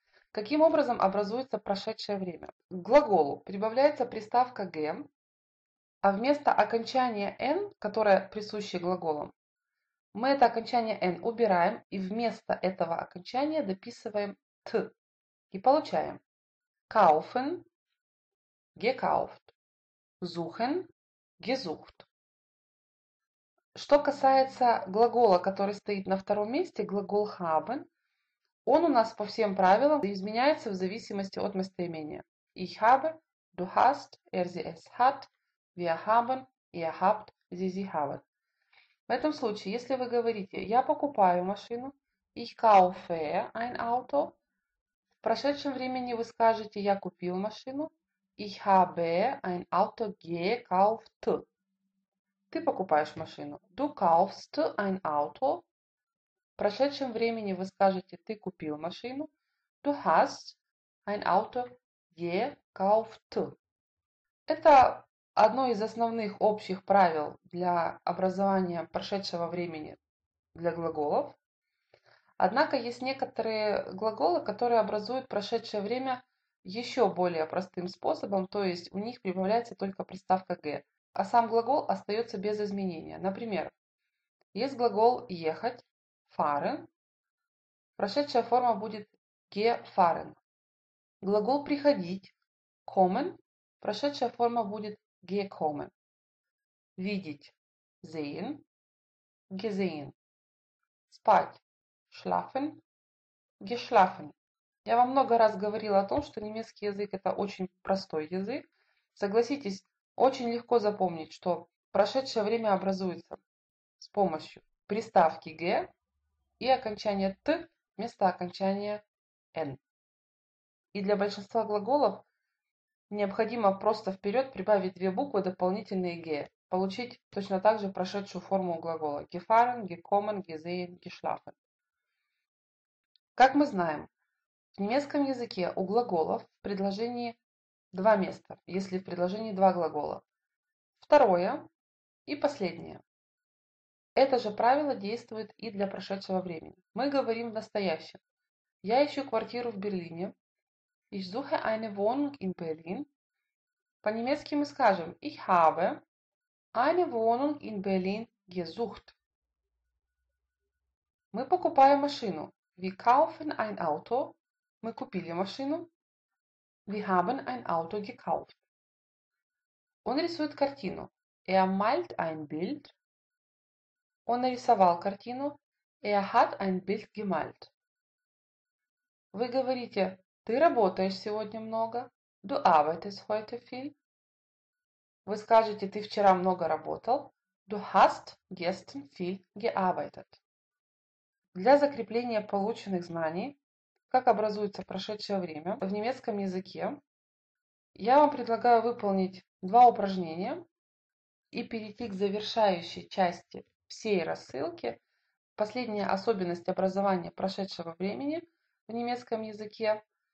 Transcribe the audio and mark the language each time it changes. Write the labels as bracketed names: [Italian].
[Russian] Каким образом образуется прошедшее время? К глаголу прибавляется приставка «г», а вместо окончания «н», которое присуще глаголам, мы это окончание «н» убираем и вместо этого окончания дописываем «т». И получаем «kaufen» – «gekauft», «suchen» – «gesucht». Что касается глагола, который стоит на втором месте, глагол haben, он у нас по всем правилам изменяется в зависимости от местоимения. [German] Ich habe, du hast, sie es hat, wir haben, ihr habt, sie haben. [Russian] В этом случае, если вы говорите «я покупаю машину», [German] ich kaufe ein Auto, [Russian] в прошедшем времени вы скажете «я купил машину», [German] ich habe ein Auto gekauft. [Russian] Ты покупаешь машину. [German] Du kaufst ein Auto. [Russian] В прошедшем времени вы скажете «ты купил машину». [German] Du hast ein Auto gekauft. [Russian] Это одно из основных общих правил для образования прошедшего времени для глаголов. Однако есть некоторые глаголы, которые образуют прошедшее время еще более простым способом, то есть у них прибавляется только приставка «г», а сам глагол остается без изменения. Например, есть глагол «ехать» – «fahren». Прошедшая форма будет «gefahren». Глагол «приходить» – «kommen». Прошедшая форма будет «gekommen». Видеть – «sehen» – «gesehen». Спать – «schlafen» – «geschlafen». Я вам много раз говорила о том, что немецкий язык – это очень простой язык. Согласитесь, очень легко запомнить, что прошедшее время образуется с помощью приставки «г» и окончания «т» вместо окончания «н». И для большинства глаголов необходимо просто вперед прибавить две буквы дополнительные «г», получить точно так же прошедшую форму глагола «gefahren», «gekommen», «gesehen», «geschlafen». Как мы знаем, в немецком языке у глаголов в предложении два места, если в предложении два глагола. Второе и последнее. Это же правило действует и для прошедшего времени. Мы говорим в настоящем. Я ищу квартиру в Берлине. [German] Ich suche eine Wohnung in Berlin. [Russian] По-немецки мы скажем [German] Ich habe eine Wohnung in Berlin gesucht. [Russian] Мы покупаем машину. [German] Wir kaufen ein Auto. [Russian] Мы купили машину. [German] Wir haben ein Auto gekauft. [Russian] Он рисует картину. [German] Er malt ein Bild. [Russian] Он нарисовал картину. [German] Er hat ein Bild gemalt. [Russian] Вы говорите, ты работаешь сегодня много. [German] Du arbeitest heute viel. [Russian] Вы скажете, ты вчера много работал. [German] Du hast gestern viel gearbeitet. [Russian] Для закрепления полученных знаний, как образуется прошедшее время в немецком языке, я вам предлагаю выполнить два упражнения и перейти к завершающей части всей рассылки. Последняя особенность образования прошедшего времени в немецком языке